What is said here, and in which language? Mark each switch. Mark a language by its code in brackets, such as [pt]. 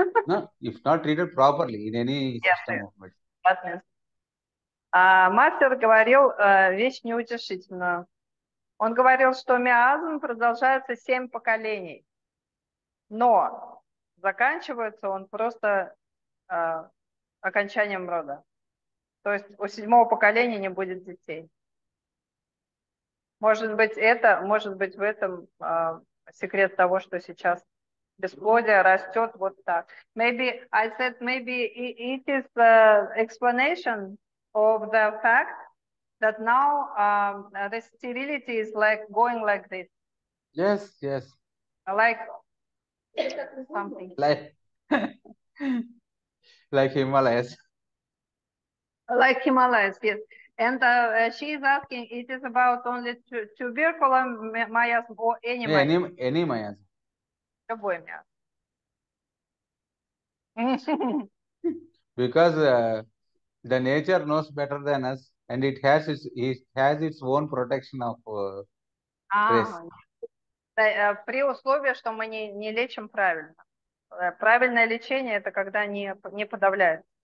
[en] No, if not treated properly in any system of medicine. [ru] Мастер говорил вещь неутешительную. Он говорил, что миазм продолжается 7 поколений, но заканчивается он просто окончанием рода. То есть у 7-го поколения не будет детей. Может быть, в этом секрет того, что сейчас бесплодие растет вот так. [en] Maybe I said maybe it is the explanation of the fact that now the sterility is like going like this. Yes, yes. Like something. Like Himalayas. Like Himalayas, yes. And she is asking, it is about only tubercular miasm or any yeah, miasm? Any miasm. Because the nature knows better than us, and it has its own protection of race. [ru] При условии, что мы не лечим правильно. Правильное лечение это когда не подавляет.